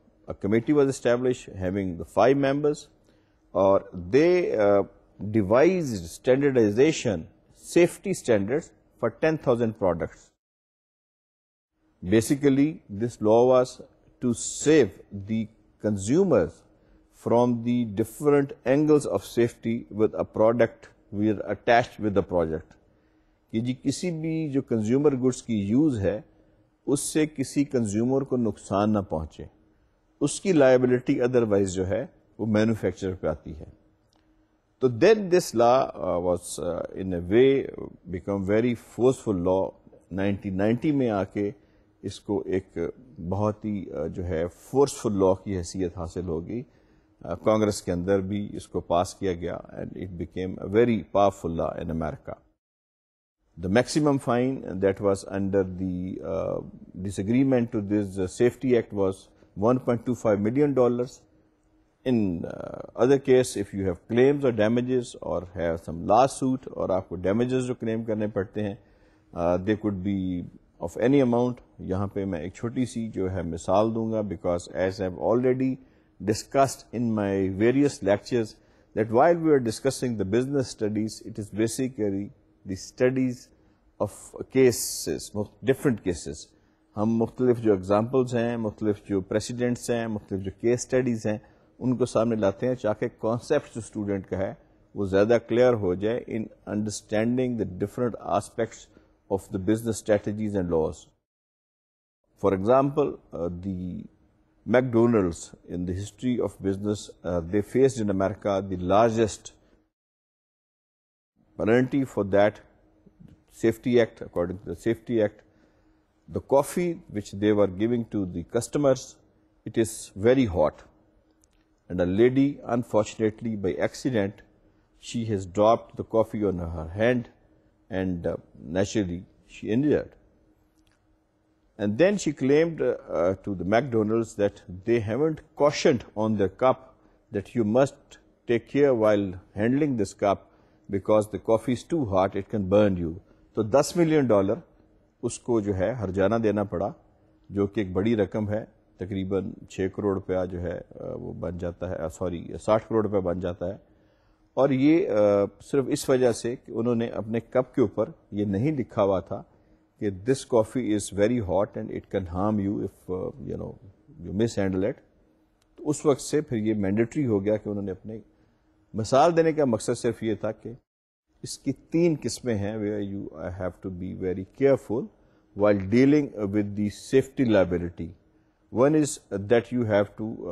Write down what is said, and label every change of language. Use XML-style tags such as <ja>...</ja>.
<en>A committee was established having the 5 members or they devised standardization safety standards for 10,000 products. Basically, this law was to save the consumers from the different angles of safety with a product we are attached with the project.</en> <ur>Kisi bhi jo consumer goods ki use hai, اس سے کسی consumer کو نقصان نہ پہنچے اس کی liability otherwise جو ہے وہ مینوفیکچرر پہ آتی ہے</ur> <en>تو then this law was in a way became very forceful law</en> <ur>1990 میں آ کے اس کو ایک بہت ہی جو ہے فورسفل لا کی حیثیت حاصل ہوگی کانگریس کے اندر بھی اس کو پاس کیا گیا</ur> <en>And it became a very powerful law in America The maximum fine that was under the disagreement to this safety act was $1.25 million. In other case, if you have claims or damages or have some lawsuit or</en> <ur>aapko damages jo claim karne padte hain,</ur> <en>they could be of any amount.</en> <ur>Yahan pe main ek choti si jo hai misal dunga</ur> <en>because as I've already discussed in my various lectures that while we are discussing the business studies, it is basically the studies of cases, different cases.</en> <ur>ہم مختلف جو examples ہیں مختلف جو precedents ہیں مختلف جو case studies ہیں ان کو سامنے لاتے ہیں چاہے concepts جو student کا ہے وہ زیادہ clear ہو جائے</ur> <en>in understanding the different aspects of the business strategies and laws. For example, the McDonald's in the history of business, they faced in America the largest penalty for that safety act, according to the safety act. The coffee which they were giving to the customers, it is very hot. And a lady, unfortunately, by accident, she has dropped the coffee on her hand and naturally she injured. And then she claimed to the McDonald's that they haven't cautioned on their cup that you must take care while handling this cup. Because the coffee is too hot, it can burn you. So, $10 million,</en> <ur>اس کو جو ہے ہرجانہ دینا پڑا جو کہ ایک بڑی رقم ہے تقریباً 6 crore روپیہ جو ہے وہ بن جاتا ہے سوری 60 crore روپیہ بن جاتا ہے اور یہ صرف اس وجہ سے کہ انہوں نے اپنے کپ کے اوپر یہ نہیں لکھا ہوا تھا کہ</ur> <en>this coffee is very hot and it can harm you if you know you mishandle it</en> <ur>تو اس وقت سے پھر یہ مینڈیٹری ہو گیا کہ انہوں نے اپنے مثال دینے کا مقصد صرف یہ تھا کہ اس کی 3 قسمیں ہیں</ur> <en>where you I have to be very careful while dealing with the safety liability one is that you have to</en>